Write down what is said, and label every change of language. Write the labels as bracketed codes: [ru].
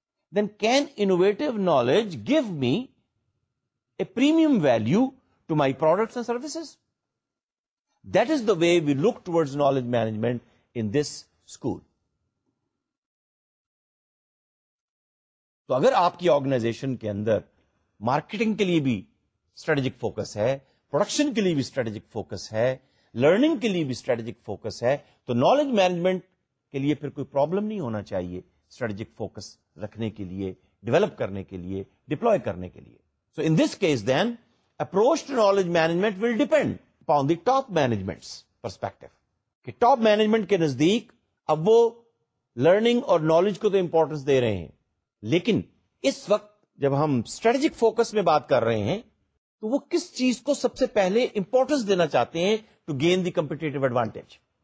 [en] Then can innovative knowledge give me a premium value to my products and services? That is the way we look towards knowledge management in this school. [ur] تو اگر آپ کی organization کے اندر marketing کے لیے بھی strategic focus ہے, production کے لیے بھی اسٹریٹجک فوکس ہے, لرننگ کے لیے بھی اسٹریٹجک فوکس ہے, تو نالج مینجمنٹ کے لیے پھر کوئی پرابلم نہیں ہونا چاہیے اسٹریٹجک فوکس رکھنے کے لیے, ڈیولپ کرنے کے لیے, ڈپلوائے کرنے کے لیے. [en] So in this case then approach to knowledge management will depend upon the top management's perspective. [ur] کہ ٹاپ مینجمنٹ کے نزدیک اب وہ لرننگ اور نالج کو تو امپورٹنس دے رہے ہیں, لیکن اس وقت جب ہم اسٹریٹجک فوکس میں بات کر رہے ہیں تو وہ کس چیز کو سب سے پہلے امپورٹنس دینا چاہتے ہیں [en] To gain the competitive advantage.